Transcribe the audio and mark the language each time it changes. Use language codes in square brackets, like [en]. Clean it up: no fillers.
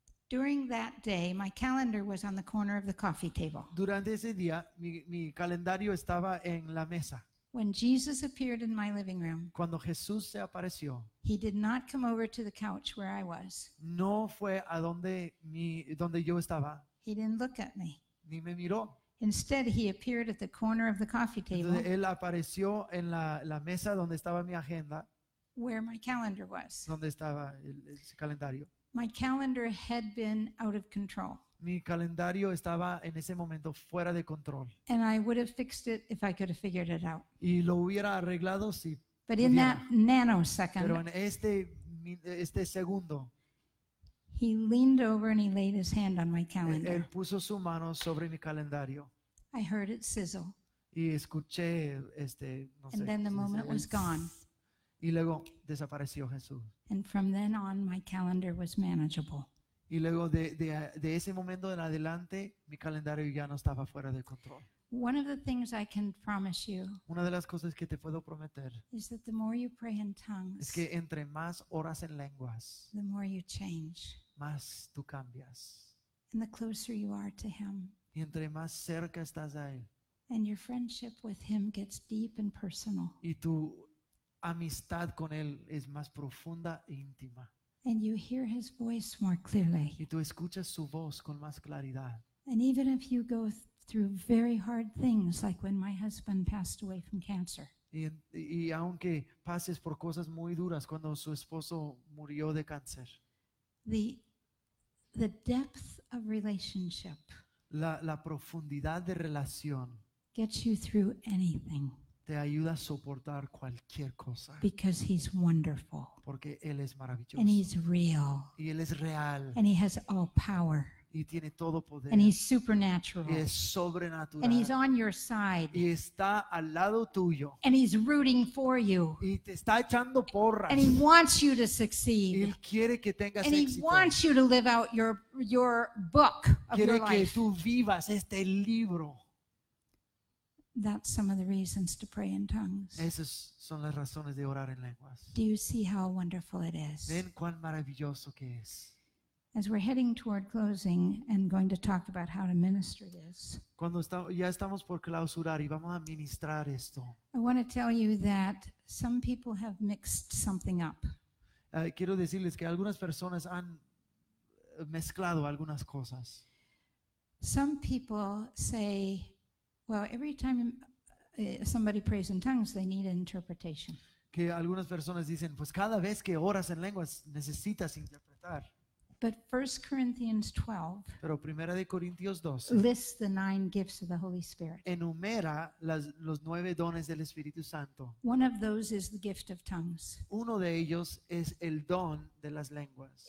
[en] During that day, my calendar was on the corner of the coffee table. [es] Durante ese día, mi calendario estaba en la mesa. [en] When Jesus appeared in my living room, [es] cuando Jesús se apareció, [en] he did not come over to the couch where I was. [es] No fue a donde yo estaba. [en] He didn't look at me. [es] Ni me miró. [en] Instead, he appeared at the corner of the coffee table. [es] Entonces, él apareció en la mesa donde estaba mi agenda, [en] where my calendar was. [es] Donde estaba el calendario. [en] My calendar had been out of control. [es] Mi calendario estaba en ese momento fuera de control. [en] And I would have fixed it if I could have figured it out. [es] Y lo hubiera arreglado si [en] But in [es] pudiera. [en] That nanosecond, [es] pero en este segundo, [en] he leaned over and he laid his hand on my calendar. [es] Él puso su mano sobre mi calendario. [en] I heard it sizzle. [es] Y escuché no [en] and [es] sé. [en] And then the moment was gone. [es] Y luego desapareció Jesús. [en] And from then on, my calendar was manageable. [es] Y luego de ese momento en adelante, mi calendario ya no estaba fuera de control. [en] One of the things I can promise you. [es] Una de las cosas que te puedo prometer. [en] Is that the more you pray in tongues. [es] Es que entre más oras en lenguas. [en] The more you change. [es] Más tú cambias. [en] And the closer you are to him. [es] Y entre más cerca estás a él. [en] And your friendship with him gets deep and personal. [es] Y tu amistad con él es más profunda e íntima. [en] And you hear his voice more clearly. [es] Y tú escuchas su voz con más claridad. [en] And even if you go through very hard things, like when my husband passed away from cancer. [es] Y aunque pases por cosas muy duras cuando su esposo murió de cáncer. [en] The depth of relationship. [es] la profundidad de relación [en] gets you through anything. [es] Te ayuda a soportar cualquier cosa. [en] Because he's wonderful. [es] Porque él es maravilloso. [en] And he's real. [es] Y él es real. [en] And he has all power. [es] Y tiene todo poder. [en] And he's supernatural. [es] Y es sobrenatural. [en] And he's on your side. [es] Y está al lado tuyo. [en] And he's rooting for you. [es] Y te está echando porras. [en] And he wants you to succeed. [es] Y él quiere que tengas éxito. [en] And he wants you to live out your book of your life. [es] Quiere que tú vivas este libro. [en] That's some of the reasons to pray in tongues. [es] Esas son las razones de orar en lenguas. [en] Do you see how wonderful it is? [es] ¿Ven cuán maravilloso que es? [en] As we're heading toward closing and going to talk about how to minister this. [es] Cuando ya estamos por clausurar y vamos a ministrar esto. [en] I want to tell you that some people have mixed something up. [es] Quiero decirles que algunas personas han mezclado algunas cosas. [en] Some people say, well, every time somebody prays in tongues, they need an interpretation. [es] Que algunas personas dicen, pues cada vez que oras en lenguas necesitas interpretar. [en] But 1 Corinthians 12. [es] Pero Primera de Corintios 12. [en] Lists the 9 gifts of the Holy Spirit. [es] Enumera los 9 dones del Espíritu Santo. [en] One of those is the gift of tongues. [es] Uno de ellos es el don de las lenguas.